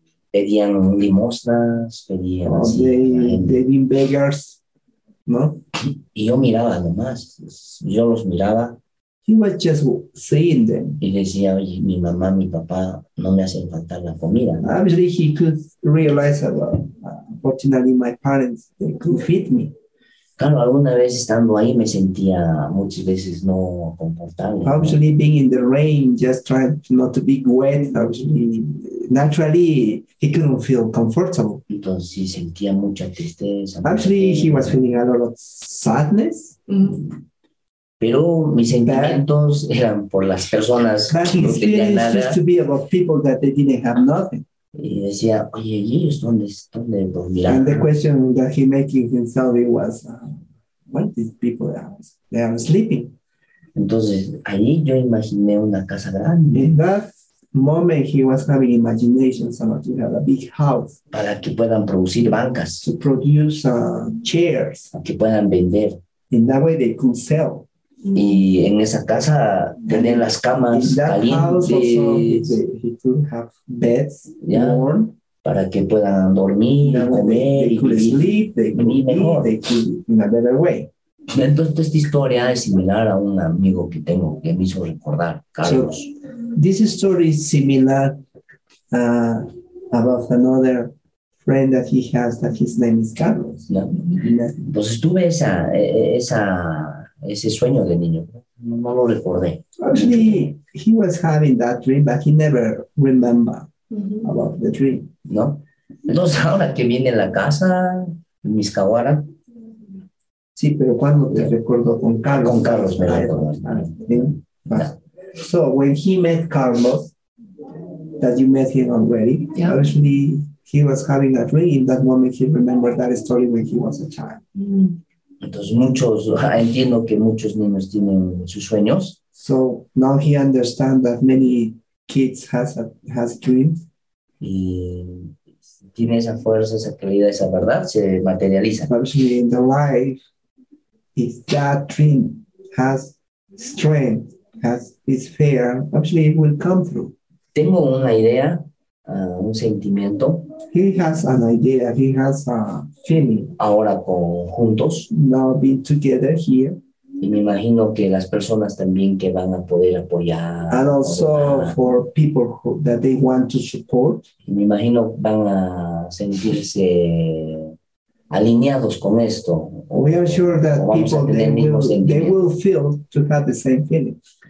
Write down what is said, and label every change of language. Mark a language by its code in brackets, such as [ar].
[es] Pedían limosnas, pedían. [en] They've been beggars. No? [es] Y yo miraba nomás, yo los miraba. [en] He was just seeing them. [es] Y decía, oye, mi mamá, mi papá, no me hacen faltar la comida. ¿No? [en] Obviously, he could realize, unfortunately, my parents, they could feed me. [es] Claro, alguna vez estando ahí me sentía muchas veces no confortable. [en] Obviously, [es] ¿no? [en] Being in the rain, just trying not to be wet, obviously, naturally, he couldn't feel comfortable. [es] Entonces, sí, sentía mucha tristeza. [en] Actually, he was feeling a lot of sadness. Mm-hmm. [es] Pero mis sentimientos eran por las personas que no tenían nada. [en] But his feelings used to be about people that they didn't have nothing. [es] Y decía, oye, ¿y ellos dónde dormirán? [en] And the question that he making himself was, what these people they are sleeping? [es] Entonces, ahí yo imaginé una casa grande. [en] In that moment, he was having imaginations about to have a big house. [es] Para que puedan producir bancas. [en] To produce chairs. [es] Que puedan vender. [en] In that way, they could sell. [es] Y en esa casa tener las camas calientes, [en] he could have beds, yeah, warm. [es] para que puedan dormir, comer y [en] sleep, [es] vivir mejor. [en] They could, in a better way. [es] Entonces esta historia es similar a un amigo que tengo que me hizo recordar, Carlos. [en] So, this story is similar about another friend that he has, that his name is Carlos. [es] Pues estuve ese sueño de niño. No lo recordé. [en] Actually, he was having that dream, but he never remember about the dream. [es] No. Entonces ahora que viene a la casa, mis kawara. Sí, pero cuando te recuerdo con Carlos. Con Carlos me recuerdo. [en] So when he met Carlos, that you met him already, actually he was having a dream. In that moment, he remembered that story when he was a child. [es] Entonces muchos, entiendo que muchos niños tienen sus sueños. [en] So now he understands that many kids has dreams. [es] Y tiene esa fuerza, esa claridad, esa verdad, se materializa. [en] Actually, in the life, if that dream has strength, has its fear, actually it will come through. [es] Tengo una idea, un sentimiento. [en] He has an idea, he has a feeling. [es] Ahora con juntos. [en] Now being together here. [es] Y me imagino que las personas también que van a poder apoyar. [en] And also for people who, that they want to support. [es] Y me imagino van a sentirse alineados con esto. [en] We are sure that people, they will feel to have the same feeling.